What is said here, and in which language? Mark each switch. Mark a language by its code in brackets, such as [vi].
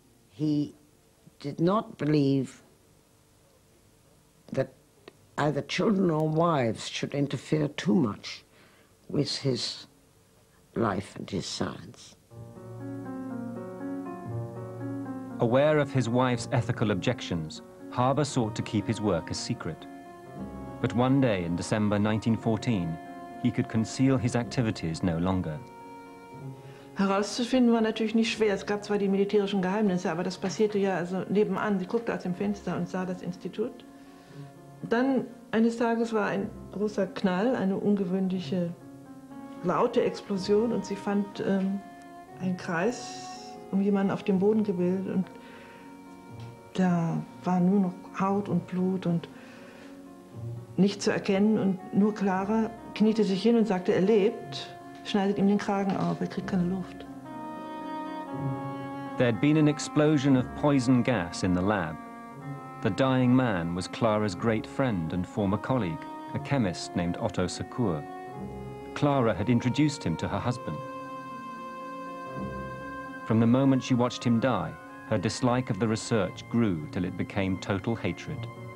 [en] He did not believe that either children or wives should interfere too much with his life and his science. Aware of his wife's ethical objections, Harber sought to keep his work a secret. But one day in December 1914, he could conceal his activities no longer. [de] Herauszufinden war natürlich nicht schwer. Es gab zwar die militärischen Geheimnisse, aber das passierte ja also nebenan. Sie guckte aus dem Fenster und sah das Institut. Dann eines Tages war ein großer Knall, eine ungewöhnliche laute Explosion, und sie fand einen Kreis um jemanden auf dem Boden gebildet, und da war nur noch Haut und Blut und nicht zu erkennen, und nur Clara kniete sich hin und sagte, er lebt, schneidet ihm den Kragen auf, er kriegt keine Luft. [en] There had been an explosion of poison gas in the lab. The dying man was Clara's great friend and former colleague, a chemist named Otto Secur. Clara had introduced him to her husband. From the moment she watched him die, her dislike of the research grew till it became total hatred.